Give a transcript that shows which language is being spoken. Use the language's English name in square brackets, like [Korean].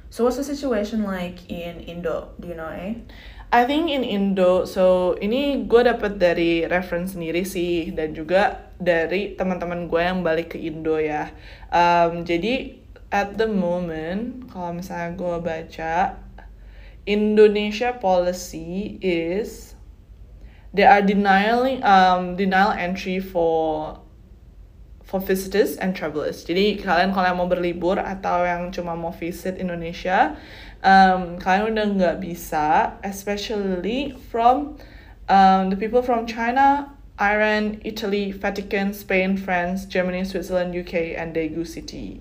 [English] So what's the situation like in Indo? Do you know, eh? I think [Indonesian] in Indo, so ini gue dapet dari reference sendiri sih, dan juga dari teman-teman gue yang balik ke Indo ya. Jadi [English] at the moment, [Indonesian] kalau misalnya gue baca, [English] Indonesia policy is they are denying denial entry for visitors and travelers. [Indonesian] Jadi kalau yang mau berlibur atau yang cuma mau visit Indonesia, kalian udah nggak bisa, [English] especially from the people from China, Iran, Italy, Vatican, Spain, France, Germany, Switzerland, UK, and Daegu City.